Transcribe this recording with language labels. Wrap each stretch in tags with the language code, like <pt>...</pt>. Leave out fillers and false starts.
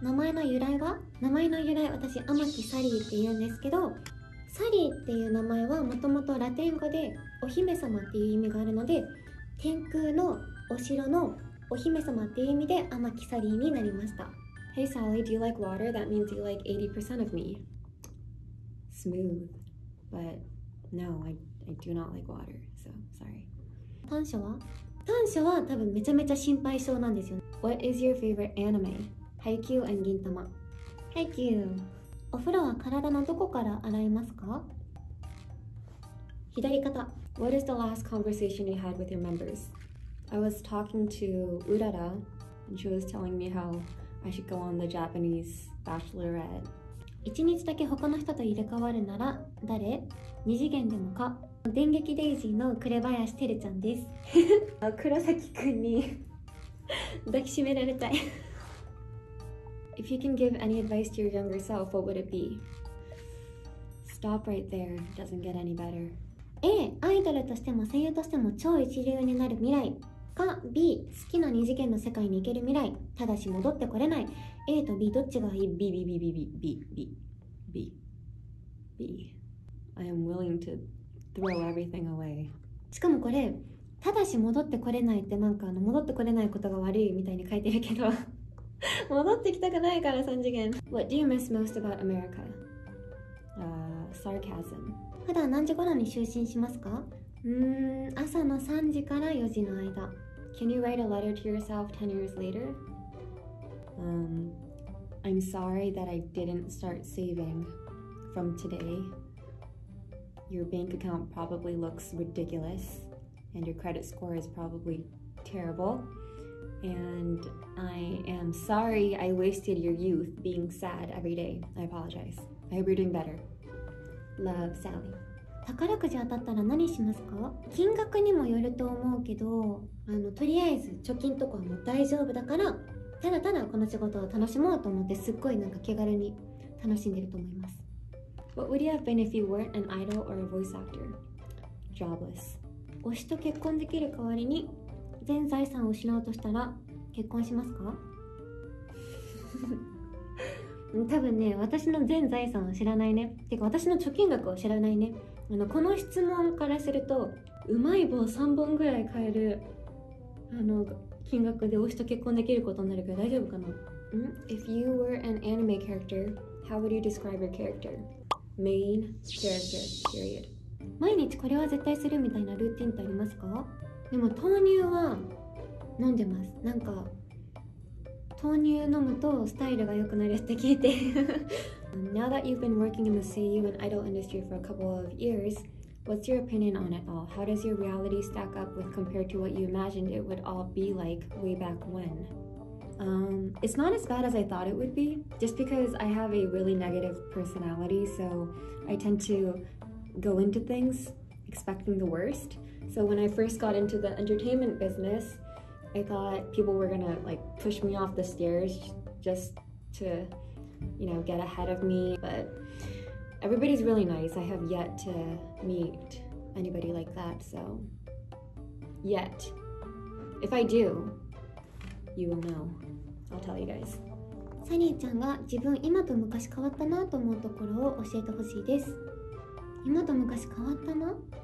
<ja>名前の由来、私天木サリーって言うんですけど、サリーっていう名前はもともとラテン語でお姫様っていう意味があるので、天空のお城のお姫様っていう意味で天木サリーになりました。</ja> <en>Hey Sally, do you like water? That means you like 80% of me. Smooth, but no, I do not like water, so sorry.</en> <ja>短所は？短所は多分めちゃめちゃ心配性なんですよね。</ja> <en>What is your favorite anime?</en> <ja>ハイキューアンギンタマ。ハイキュー。お風呂は体のどこから洗いますか？左肩。</ja> <en>What is the last conversation you had with your members? I was talking to Urara, and she was telling me how I should go on the Japanese Bachelorette.</en> <ja>一日だけ他の人と入れ替わるなら誰？二次元でもか。電撃デイジーの紅林てるちゃんです。黒崎くんに抱きしめられたい。</ja> <en>If you can give any advice to your younger self, what would it be? Stop right there. It doesn't get any better.</en> <ja>A、 アイドルとしても声優としても超一流になる未来か、 B、 好きな二次元の世界に行ける未来、ただし戻ってこれない。 A と B どっちがいい？</ja> <en>B, B, B, B, B, B, B, B. I am willing to throw everything away.</en> <ja>しかもこれ、ただし戻ってこれないって、戻ってこれないことが悪いみたいに書いてるけど 戻ってきたくないから、三次元。</ja> <en>What do you miss most about America? Sarcasm.</en> <ja>普段何時頃に就寝しますか？朝の3時から4時の間。</ja> <en>Can you write a letter to yourself 10 years later? I'm sorry that I didn't start saving from today. Your bank account probably looks ridiculous, and your credit score is probably terrible. And I am sorry I wasted your youth being sad every day. I apologize. I hope you're doing better. Love, Sally.</en> <ja>宝くじ当たったら何しますか？金額にもよると思うけど、とりあえず貯金とかも大丈夫だから、ただただこの仕事を楽しもうと思って、すっごい気軽に楽しんでると思います。</ja> <en>What would you have been if you weren't an idol or a voice actor? Jobless.</en> <ja>推しと結婚できる代わりに全財産を失うとしたら結婚しますか？多分ね、私の全財産を知らないね。てか私の貯金額を知らないね。この質問からすると、うまい棒3本ぐらい買える金額で推しと結婚できることになるから大丈夫かな。</ja> <en>If you were an anime character, how would you describe your character? Main character, period.</en> <ja>毎日これは絶対するみたいなルーティンってありますか？でも豆乳は飲んでます。豆乳飲むとスタイルが良くなるって聞いて。</ja> <en>Now that you've been working in the CU and idol industry for a couple of years, what's your opinion on it all? How does your reality stack up with compared to what you imagined it would all be like way back when? It's not as bad as I thought it would be, just because I have a really negative personality, so I tend to go into things expecting the worst. So when I first got into the entertainment business, I thought people were gonna like push me off the stairs just to, get ahead of me. But everybody's really nice. I have yet to meet anybody like that, so yet. If I do, you will know. I'll tell you guys.</en> <ja>サニーちゃんが自分今と昔変わったなと思うところを教えてほしいです。今と昔変わったな？</ja>